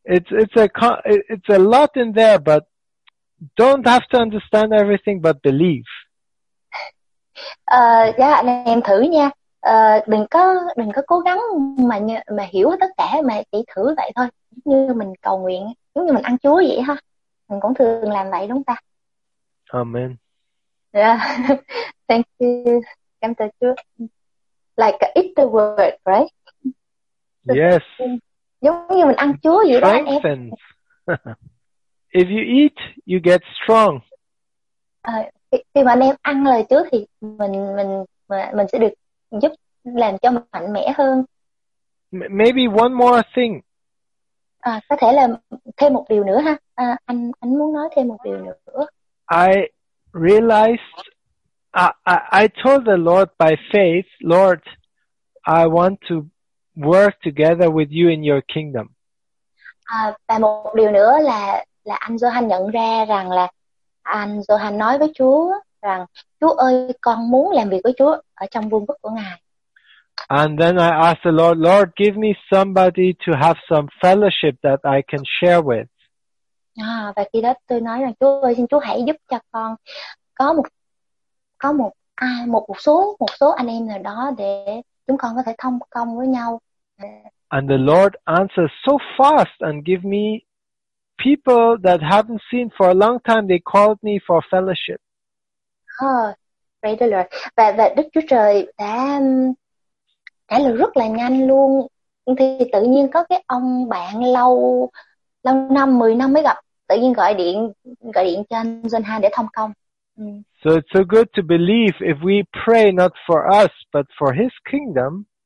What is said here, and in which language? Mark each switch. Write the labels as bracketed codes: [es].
[en] It's a lot in there, but don't have to understand everything, but believe. [vi] Anh em thử nha. Đừng có cố gắng mà hiểu tất cả, mà chỉ thử vậy thôi. Giống như mình cầu nguyện, giống như mình ăn Chúa vậy ha. Mình cũng thường làm vậy đúng không ta? [en] Amen. Yeah. Thank you. [vi] Cảm ơn Chúa. [en] Like eat the word, right? Yes. [vi] Giống như mình ăn Chúa vậy đó anh em. [en] If you eat, you get strong. [vi] Khi mà anh em ăn lời Chúa thì mình sẽ được giúp làm cho mình mạnh mẽ hơn. [en] Maybe one more thing. [vi] À, có thể là thêm một điều nữa ha. À, anh muốn nói thêm một điều nữa. [en] I realized, I told the Lord by faith, Lord, I want to work together with you in your kingdom. [vi] À, và một điều nữa là anh Johan nhận ra rằng là anh Johan nói với Chúa rằng Chúa ơi, con muốn làm việc với Chúa ở trong vương quốc của Ngài. [en] And then I asked the Lord, Lord, give me somebody to have some fellowship that I can share with. [vi] À, và khi đó tôi nói rằng Chúa ơi, xin Chúa hãy giúp cho con có một số anh em nào đó để chúng con có thể thông công với nhau. [en] And the Lord answers so fast and give me people that haven't seen for a long time. They called me for fellowship. [vi] Và Đức Chúa Trời đã trả lời rất là nhanh luôn. Thì tự nhiên có cái ông bạn lâu lâu năm, 10 năm mới gặp, tự nhiên gọi điện cho anh Dân Hà để thông công. [en] So it's so good to believe if we pray not for us but for His kingdom.